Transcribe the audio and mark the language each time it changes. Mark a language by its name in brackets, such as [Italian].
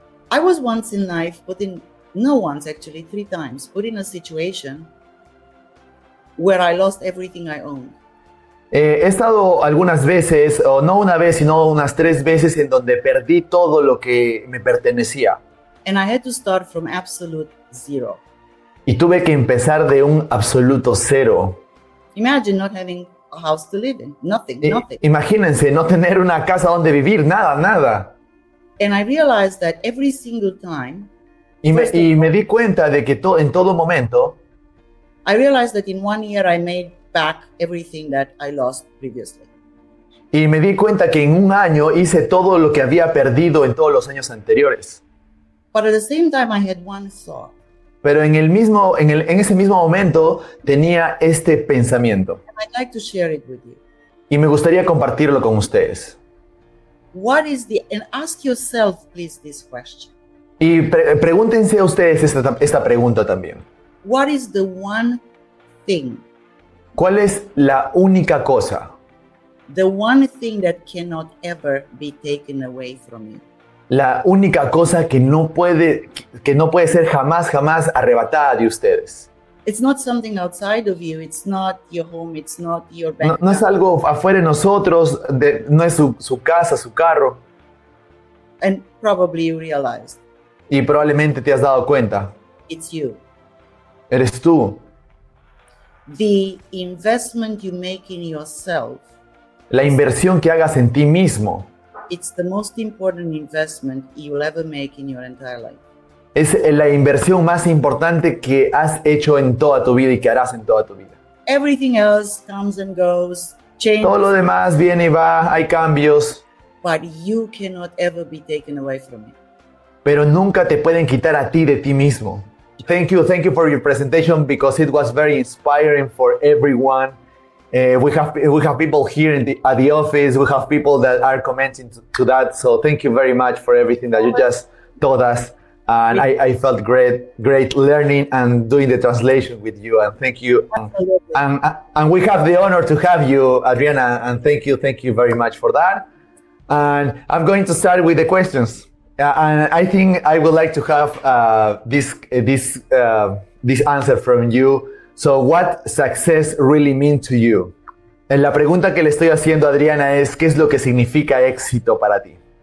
[English] I was once in life, but in, no once actually, three times, put in a situation where I lost everything I owned. [Spanish] He estado algunas veces, o no una vez, sino unas tres veces, en donde perdí todo lo que me pertenecía. [English] And I had to start from absolute zero. [Spanish] Y tuve que empezar de un absoluto cero. [English] Imagine not having a house to live in. Nothing, nothing. [Spanish] Imagínense no tener una casa donde vivir, nada, nada. [English] And I realized that every single time. [Spanish] Y me di cuenta de que en todo momento. [English] I realized that in 1 year I made back everything that I lost previously. [Spanish] Y me di cuenta que en un año hice todo lo que había perdido en todos los años anteriores. [English] But at the same time I had one thought. [Spanish] Pero en ese mismo momento tenía este pensamiento. [English] I'd like to share it with you. [Spanish] Y me gustaría compartirlo con ustedes. [English] What is the, and ask yourself, please, this question. [Spanish] Y pregúntense ustedes esta pregunta también. [English] What is the one thing? [Spanish] ¿Cuál es la única cosa? [English] The one thing that cannot ever be taken away from you. [Spanish] La única cosa que no puede ser jamás arrebatada de ustedes. [English] It's not something outside of you, it's not your home, it's not your bank. [Spanish] No es algo afuera de nosotros, no es su casa, su carro. [English] And probably you realized. [Spanish] Y probablemente te has dado cuenta. [English] It's you. [Spanish] Eres tú. [English] The investment you make in yourself. [Spanish] La inversión que hagas en ti mismo. [English] It's the most important investment you'll ever make in your entire life. [Spanish] Es la inversión más importante que has hecho en toda tu vida y que harás en toda tu vida. [English] Everything else comes and goes, changes. [Spanish] Todo lo demás viene y va, hay cambios. [English] But you cannot ever be taken away from me. [Spanish] Pero nunca te pueden quitar a ti de ti mismo. [English] Thank you for your presentation because it was very inspiring for everyone. We have people here at the office. We have people that are commenting to that. So thank you very much for everything that you just told us. And I felt great learning and doing the translation with you. And thank you. And we have the honor to have you, Adriana. And thank you very much for that. And I'm going to start with the questions. And I think I would like to have this answer from you. So what success really means to you? [Spanish] En la pregunta que le estoy haciendo a Adriana es, ¿qué es lo que significa éxito para ti?